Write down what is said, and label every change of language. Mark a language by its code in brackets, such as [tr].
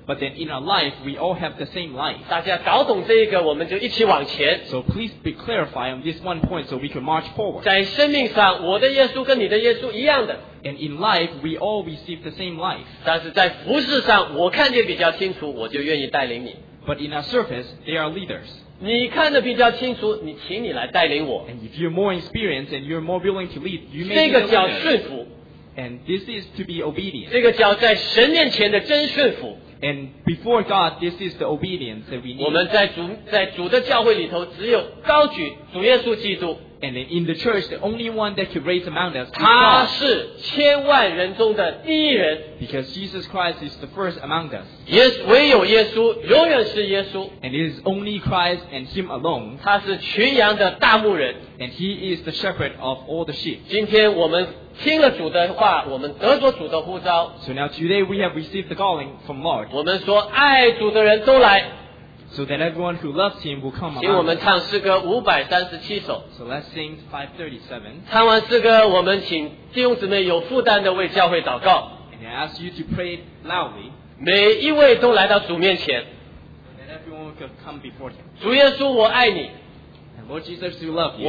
[en] But then in our life, we all have the same life. [zh] 大家搞懂这一个，我们就一起往前 [en] So please be clarified on this one point so we can march forward. [zh] 在生命上，我的耶稣跟你的耶稣一样的 [en] And in life, we all receive the same life. [zh] 但是在服事上，我看见比较清楚，我就愿意带领你。 [en] But in our service, they are leaders. [zh] 你看得比较清楚，你请你来带领我。 [en] And if you're more experienced and you're more willing to lead, you may. [zh] 这个叫顺服。 [en] And this is to be obedient. [zh] 这个叫在神面前的真顺服。 [en] And before God, this is the obedience that we need. [zh] 我们在主的教会里头，只有高举主耶稣基督。 [en] And in the church, the only one that could raise among us is God. [zh] 他是千万人中的第一人。 [en] Because Jesus Christ is the first among us. [zh] 唯有耶稣，永远是耶稣。 [en] And it is only Christ and Him alone. [zh] 他是群羊的大牧人。 [en] And He is the shepherd of all the sheep. [zh] 今天我们听了主的话，我们得着主的呼召。 [en] So now today we have received the calling from Lord. [zh] 我们说爱主的人都来。 [en] So that everyone who loves him will come. [zh] 请我们唱诗歌537首。 [en] So let's sing 537. [zh] 唱完诗歌，我们请弟兄姊妹有负担的为教会祷告。 [en] And I ask you to pray loudly. [zh] 每一位都来到主面前。 [en] And everyone could come before him. [zh] 主耶稣，我爱你。 [en] And Lord Jesus, we love you.